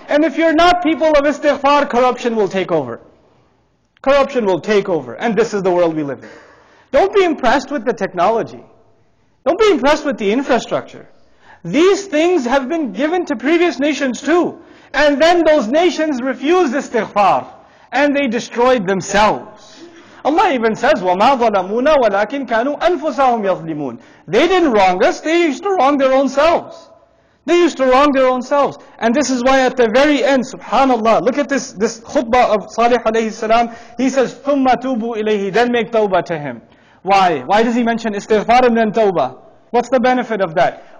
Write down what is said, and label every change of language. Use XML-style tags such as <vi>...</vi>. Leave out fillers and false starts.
<en>And if you're not people of istighfar, corruption will take over. Corruption will take over. And this is the world we live in. Don't be impressed with the technology. Don't be impressed with the infrastructure. These things have been given to previous nations too. And then those nations refused istighfar. And they destroyed themselves. Allah even says,</en> <ar>وَمَا ظَلَمُونَ وَلَكِنْ كَانُوا أَنفُسَهُمْ يَظْلِمُونَ.</ar> <en>They didn't wrong us, they used to wrong their own selves. They used to wrong their own selves. And this is why at the very end, subhanAllah, look at this khutbah of Salih alayhi salam. He says,</en> <ar>ثُمَّ تُوبُوا إِلَيْهِ,</ar> <en>then make tawbah to him. Why? Why does he mention istighfar and then tawbah? What's the benefit of that?</en>